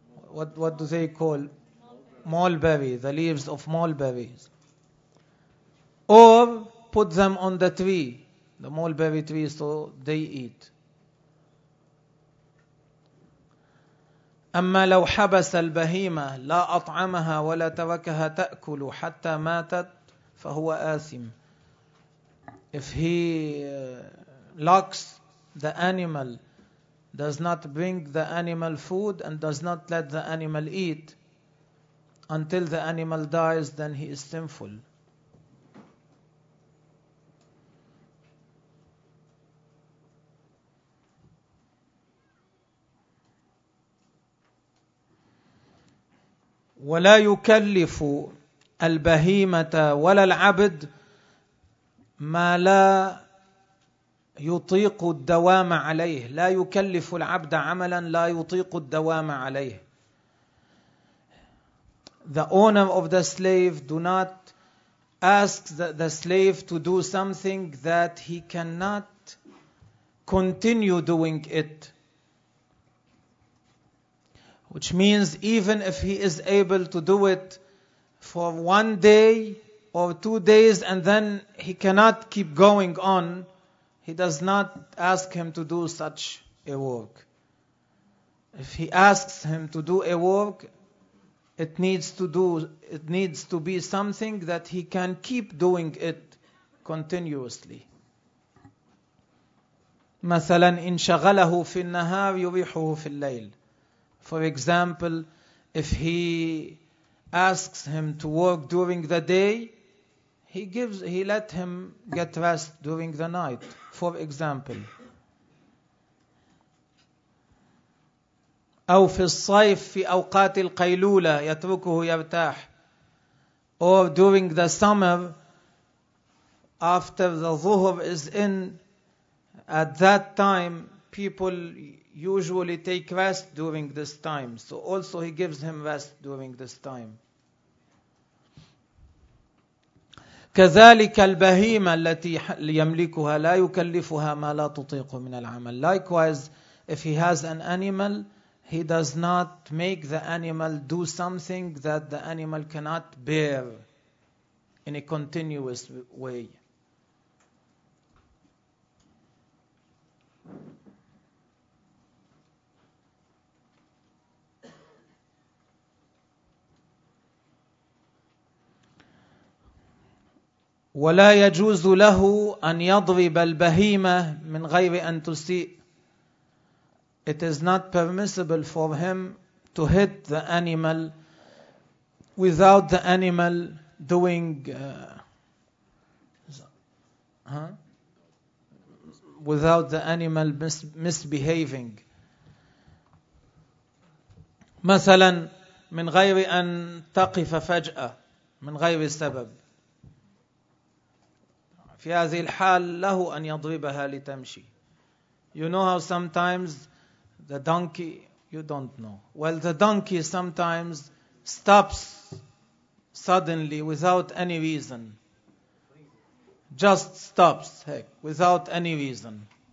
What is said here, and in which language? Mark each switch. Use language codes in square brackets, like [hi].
[en] What do they call? Mulberry, the leaves of mulberries. Or put them on the tree, the mulberry tree, so they eat. [ar] أما لو حبس البهيمة لا أطعمها ولا تركها تأكل حتى ماتت فهو آثم. [en] If he locks the animal, does not bring the animal food and does not let the animal eat until the animal dies, then he is sinful. [ar] ولا يكلف البهيمة ولا العبد ما لا يطيق الدوام عليه. لا يكلف العبد عملا لا يطيق الدوام عليه. [en] The owner of the slave do not ask the slave to do something that he cannot continue doing it. Which means even if he is able to do it for one day or 2 days and then he cannot keep going on, he does not ask him to do such a work. If he asks him to do a work, it needs to be something that he can keep doing it continuously. [ar] مثلا إن شغله في النهار يريحه في الليل. [en] For example, if he asks him to work during the day, he let him get rest during the night. For example, [ar] أو في الصيف في أوقات القيلولة يتركه يرتاح. [en] Or during the summer, after the ظهر is in, at that time people usually take rest during this time. So also he gives him rest during this time. [ar] كذلك البهيمة التي يملكها لا يكلفها ما لا تطيق من العمل. [en] Likewise, if he has an animal, he does not make the animal do something that the animal cannot bear in a continuous way. [ar] ولا يجوز له أن يضرب البهيمة من غير أن تسيء. [en] It is not permissible for him to hit the animal without the animal doing without the animal misbehaving. [ar] مثلا من غير أن تقف فجأة من غير السبب. في هذه الحال له أن يضربها لتمشي. [en] You know how sometimes the donkey, you don't know. Well, the donkey sometimes stops suddenly without any reason. Just stops, heck, without any reason.